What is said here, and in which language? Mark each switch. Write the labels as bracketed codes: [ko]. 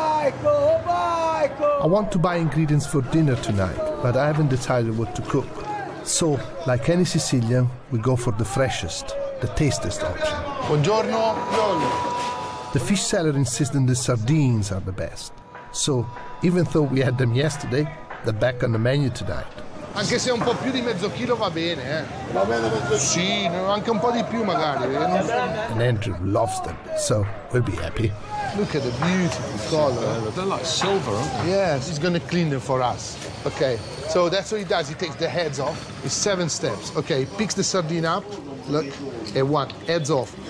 [en] I want to buy ingredients for dinner tonight, but I haven't decided what to cook. So, like any Sicilian, we go for the freshest, the tastiest option. [it] Buongiorno, buongiorno. [en] The fish seller insists that the sardines are the best. So, even though we had them yesterday, they're back on the menu tonight. [it] Anche se un po' più di mezzo chilo va bene, eh? Va bene mezzo chilo. Sì, anche un po' di più magari. [en] And Andrew loves them, so we'll be happy. Look at the beautiful color. They're like silver, aren't they? Yes, he's going to clean them for us. Okay, so that's what he does. He takes the heads off. It's seven steps. Okay, he picks the sardine up. Look, and one, heads off.